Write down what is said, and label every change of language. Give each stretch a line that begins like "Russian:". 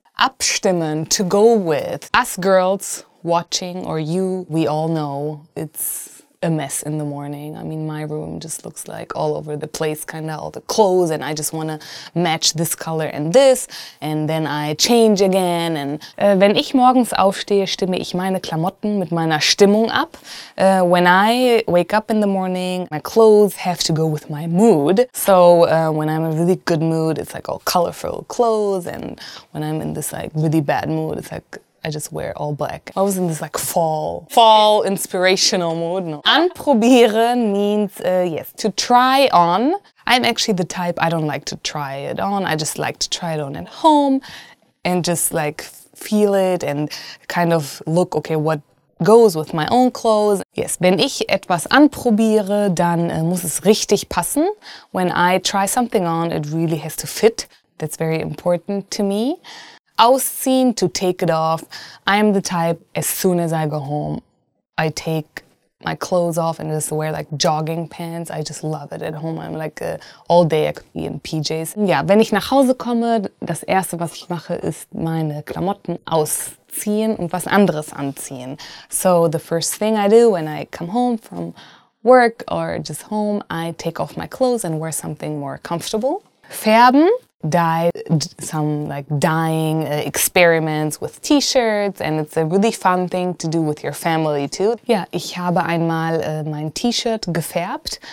English: Abstimmen, to go with. Us girls watching, or you, we all know it's a mess in the morning. I mean, my room just looks like all over the place, kind of all the clothes, and I just want to match this color and this, and then I change again. And
German: wenn ich morgens aufstehe, stimme ich meine Klamotten mit meiner Stimmung ab.
English: When I wake up in the morning, my clothes have to go with my mood. So when I'm in a really good mood, it's like all colorful clothes, and when I'm in this like really bad mood, it's like I just wear all black. I was in this like fall inspirational mode. No. Anprobieren means yes, to try on. I'm actually the type, I don't like to try it on. I just like to try it on at home and just like feel it and kind of look, okay, what goes with my own clothes.
German: Yes, wenn ich etwas anprobiere, dann muss es richtig passen.
English: When I try something on, it really has to fit. That's very important to me. Ausziehen, to take it off. I am the type, as soon as I go home, I take my clothes off and just wear like jogging pants. I just love it at home. I'm like all day I could be in PJs.
German: Ja, wenn ich nach Hause komme, das erste, was ich mache, ist meine Klamotten ausziehen und was anderes anziehen.
English: So the first thing I do when I come home from work or just home, I take off my clothes and wear something more comfortable.
German: Färben.
English: Dye some like dyeing experiments with T-shirts, and it's a really fun thing to do with your family too.
German: Yeah, ich habe einmal mein T-Shirt gefärbt.